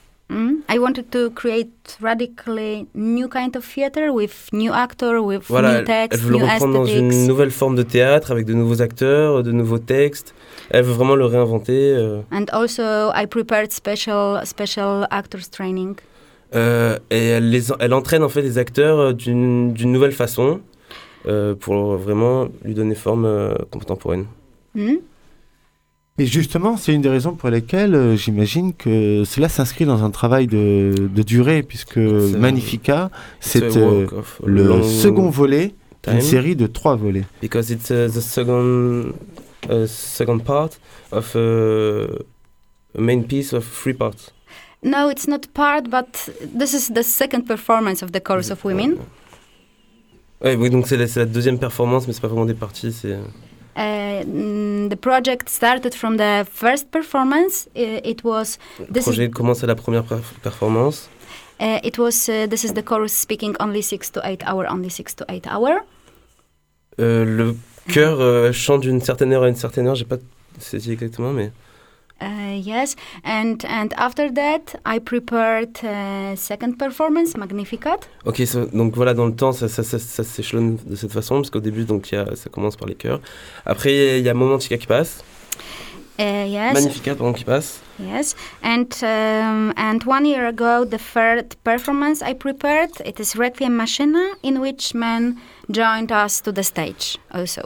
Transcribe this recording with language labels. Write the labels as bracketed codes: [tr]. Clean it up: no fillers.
[en] I wanted to create radically new kind of theater with new actor, with [fr] voilà, [en] new text, [fr] elle veut le [en] new [fr] reprendre [en] aesthetics. [fr] Dans une nouvelle forme de théâtre avec de nouveaux acteurs, de nouveaux textes. Elle veut vraiment le réinventer. [en] And also, I prepared special actors training. [fr] Et elle entraîne en fait les acteurs d'une nouvelle façon pour vraiment lui donner forme contemporaine. Et justement, c'est une des raisons pour lesquelles j'imagine que cela s'inscrit dans un travail de durée, puisque c'est Magnifica, c'est le second volet d'une série de trois volets. [en] Because it's the second part of a main piece of three parts. No, it's not part, but this is the second performance of the Chorus of Women. [fr] Oui, donc c'est la deuxième performance, mais c'est pas vraiment des parties, c'est... [en] The project started from the first performance. It was. [fr] Le projet commence à la première performance. [en] It was. This is the chorus speaking only 6 to 8 hours. Only 6 to 8 hours. [fr] Le chœur chante d'une certaine heure à une certaine heure. J'ai pas saisi exactement, mais. [en] Yes, and after that, I prepared a second performance, Magnificat. [fr] Ok, donc voilà, dans le temps, ça s'échelonne de cette façon, parce qu'au début, donc, ça commence par les chœurs. Après, il y a Momentica qui passe. [en] Yes. [fr] Magnificat pendant qu'il passe. [en] Yes. And 1 year ago, the third performance I prepared, it is Requiem Machina, in which men joined us to the stage also.